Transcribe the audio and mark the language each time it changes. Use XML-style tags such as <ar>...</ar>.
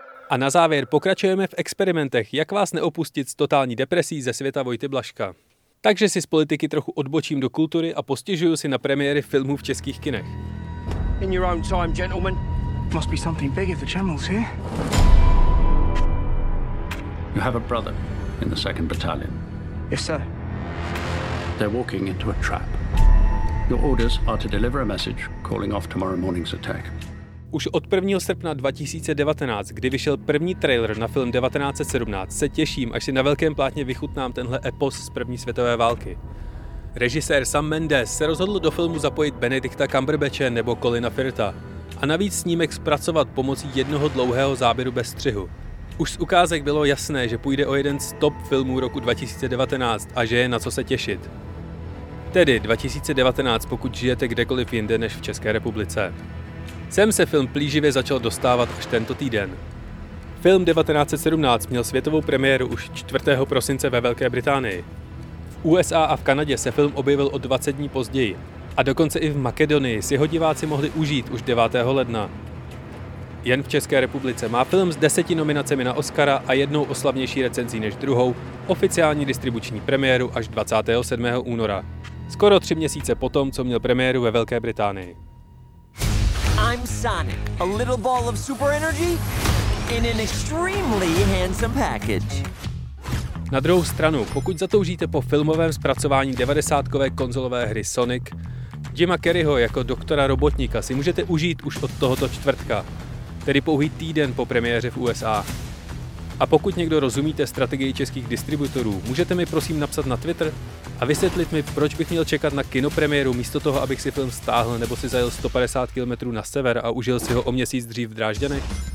<cs>A na závěr pokračujeme v experimentech, jak vás neopustit s totální depresí ze světa Vojty Blažka. Takže si z politiky trochu odbočím do kultury a postěžuju si na premiéry filmů v českých kinech.</cs> <en>In your own time, gentlemen. Must be something big if the channel's here. You have a brother in the 2nd battalion. Yes, sir. They're walking into a trap. Your orders are to deliver a message calling off tomorrow morning's attack.</en> <cs>Už od 1. srpna 2019, kdy vyšel první trailer na film 1917, se těším, až si na velkém plátně vychutnám tenhle epos z první světové války. Režisér Sam Mendes se rozhodl do filmu zapojit Benedicta Cumberbatche nebo Colina Firtha a navíc snímek zpracovat pomocí jednoho dlouhého záběru bez střihu. Už z ukázek bylo jasné, že půjde o jeden z top filmů roku 2019 a že je na co se těšit. Tedy 2019, pokud žijete kdekoliv jinde než v České republice. Sem se film plíživě začal dostávat až tento týden. Film 1917 měl světovou premiéru už 4. prosince ve Velké Británii. V USA a v Kanadě se film objevil o 20 dní později a dokonce i v Makedonii si ho diváci mohli užít už 9. ledna. Jen v České republice má film s 10 nominacemi na Oscara a jednou oslavnější recenzí než druhou oficiální distribuční premiéru až 27. února. Skoro 3 měsíce potom, co měl premiéru ve Velké Británii.</cs> <en>I'm Sonic, a little ball of super energy in an extremely handsome package.</en> <cs>Na druhou stranu, pokud zatoužíte po filmovém zpracování 90-kové konzolové hry Sonic, Jima Carreyho jako doktora Robotnika si můžete užít už od tohoto čtvrtka, tedy pouhý týden po premiéře v USA. A pokud někdo rozumíte strategii českých distributorů, můžete mi prosím napsat na Twitter a vysvětlit mi, proč bych měl čekat na kinopremiéru místo toho, abych si film stáhl nebo si zajel 150 km na sever a užil si ho o měsíc dřív v Drážďanech.</cs>